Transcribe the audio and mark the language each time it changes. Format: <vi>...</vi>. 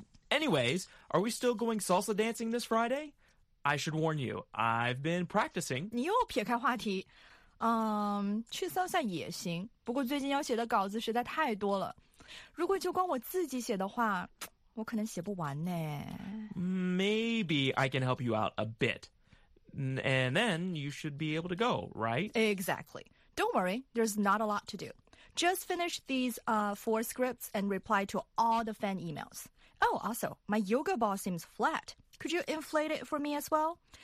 <en>Anyways, are we still going salsa dancing this Friday? I should warn you, I've been practicing.</en> <zh>你又撇开话题。去salsa也行, 不过最近要写的稿子实在太多了。如果就光我自己写的话, 我可能写不完呢。</zh> <en>Maybe I can help you out a bit. And then you should be able to go, right? Exactly. Don't worry, there's not a lot to do. Just finish these four scripts and reply to all the fan emails. Oh, also, my yoga ball seems flat. Could you inflate it for me as well?</en>